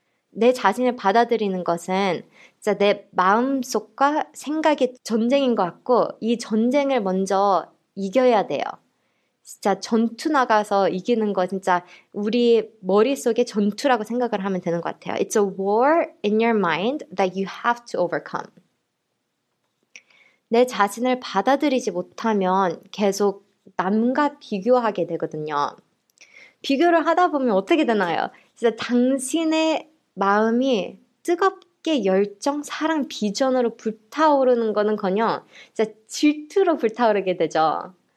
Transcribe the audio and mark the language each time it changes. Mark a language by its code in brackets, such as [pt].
[ko] 내 자신을 받아들이는 것은 진짜 내 마음속과 생각의 전쟁인 것 같고 이 전쟁을 먼저 이겨야 돼요. 진짜 전투 나가서 이기는 거 진짜 우리 머릿속의 전투라고 생각을 하면 되는 것 같아요. [en] It's a war in your mind that you have to overcome. [ko] 내 자신을 받아들이지 못하면 계속 남과 비교하게 되거든요. 비교를 하다 보면 어떻게 되나요? 진짜 당신의 마음이 뜨겁게 열정, 사랑, 비전으로 불타오르는 거는커녕 진짜 질투로 불타오르게 되죠.